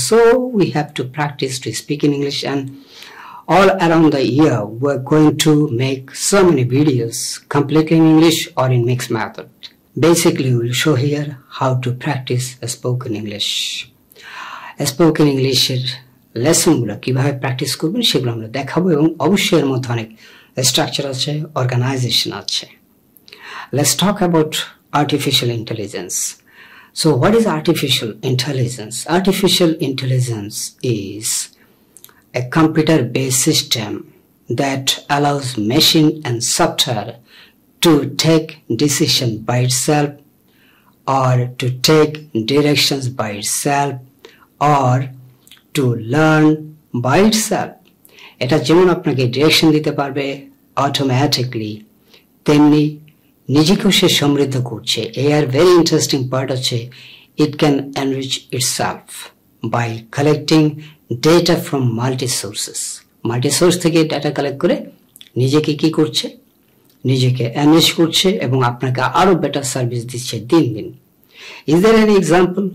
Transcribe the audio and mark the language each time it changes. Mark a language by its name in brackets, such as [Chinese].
[English] So we have to practice to speak in English and all around the year we are going to make so many videos completely in English or in mix method. Basically will show here how to practice spoken English. [Bangla] Spoken ইংলিশের লেসনগুলো কীভাবে practice করবেন সেগুলো আমরা দেখাবো, এবং অবশ্যই এর মধ্যে অনেক স্ট্রাকচার আছে, অর্গানাইজেশন আছে। [English] Let's talk about artificial intelligence. So what is artificial intelligence? Artificial intelligence is a computer-based system that allows machine and software to take decision by itself, or to take directions by itself, or to learn by itself. [Bangla] এটা যেমন আপনাকে direction দিতে পারবে automatically, তেমনি নিজেকেও সে সমৃদ্ধ করছে। [English] এ আর very interesting part [Bangla] হচ্ছে, [English] It can enrich itself by collecting data from multi sources. [Bangla] Multi source থেকে ডাটা কালেক্ট করে নিজেকে কী করছে, নিজেকে এনরিচ করছে এবং আপনাকে আরও বেটার সার্ভিস দিচ্ছে দিন দিন। [English] Is there any example?